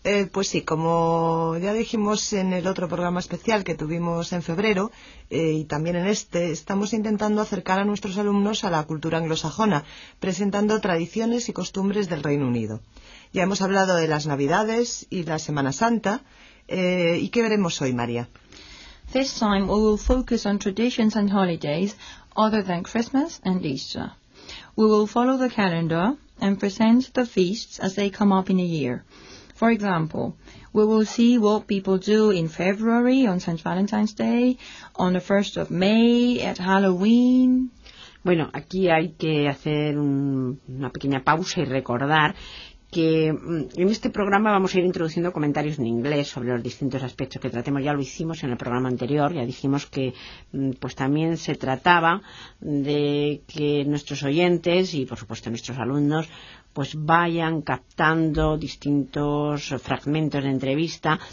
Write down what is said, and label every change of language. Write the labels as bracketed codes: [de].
[es] Pues sí, como ya dijimos en el otro programa especial que tuvimos en febrero y también en este, estamos intentando acercar a nuestros alumnos a la cultura anglosajona, presentando tradiciones y costumbres del Reino Unido. Ya hemos hablado de las Navidades y la Semana Santa. ¿Y qué veremos hoy, María? [en] This time we will focus on traditions and holidays other than Christmas and Easter. We will follow the calendar and present the feasts as they come up in a year. For example, we will see what people do in February on St. Valentine's Day, on the 1st of May, at Halloween. [es] Bueno, aquí hay que hacer una pequeña pausa y recordar que en este programa vamos a ir introduciendo comentarios en inglés sobre los distintos aspectos que tratemos. Ya lo hicimos en el programa anterior, ya dijimos que pues también se trataba de que nuestros oyentes y por supuesto nuestros alumnos pues vayan captando distintos fragmentos de entrevista.